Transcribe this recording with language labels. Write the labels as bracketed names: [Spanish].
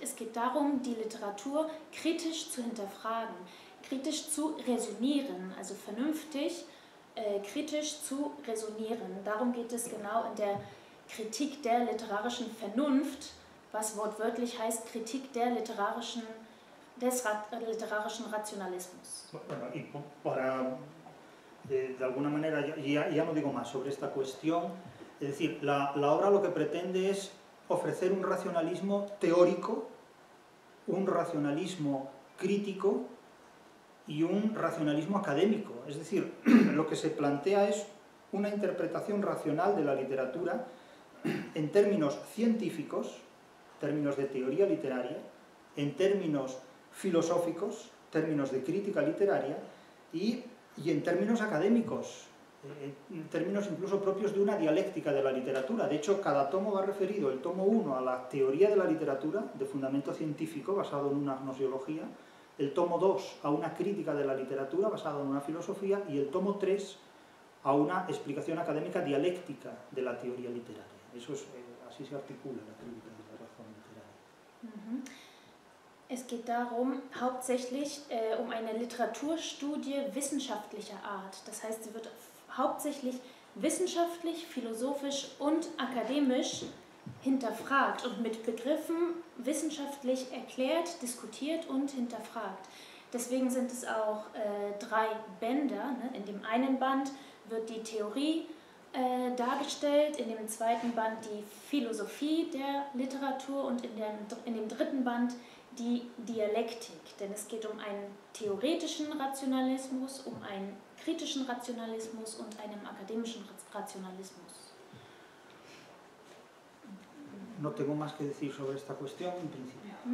[German] Es geht darum, die Literatur kritisch zu hinterfragen, kritisch zu resonieren, also vernünftig kritisch zu resonieren. Darum geht es genau in der Kritik der literarischen Vernunft, was wortwörtlich heißt Kritik der literarischen, des literarischen Rationalismus. [Spanish] Bueno, y para, de alguna manera, ya no digo más sobre esta cuestión. Es decir, la obra lo que pretende es ofrecer un racionalismo teórico, un racionalismo crítico y un racionalismo académico. Es decir, lo que se plantea es una interpretación racional de la literatura en términos científicos, términos de teoría literaria, en términos filosóficos, términos de crítica literaria, y en términos académicos, en términos incluso propios de una dialéctica de la literatura. De hecho, cada tomo va referido, el tomo 1, a la teoría de la literatura, de fundamento científico, basado en una gnoseología, el tomo 2 a una crítica de la literatura basada en una filosofía y el tomo 3 a una explicación académica dialéctica de la teoría literaria. Eso es, así se articula la crítica de la razón literaria. [German] Es geht darum, hauptsächlich um eine Literaturstudie wissenschaftlicher Art. Das heißt, sie wird hauptsächlich wissenschaftlich, philosophisch und akademisch hinterfragt und mit Begriffen wissenschaftlich erklärt, diskutiert und hinterfragt. Deswegen sind es auch drei Bänder. Ne? In dem einen Band wird die Theorie dargestellt, in dem zweiten Band die Philosophie der Literatur und in dem dritten Band die Dialektik. Denn es geht um einen theoretischen Rationalismus, um einen kritischen Rationalismus und einen akademischen Rationalismus. [Spanish] No tengo más que decir sobre esta cuestión, en principio.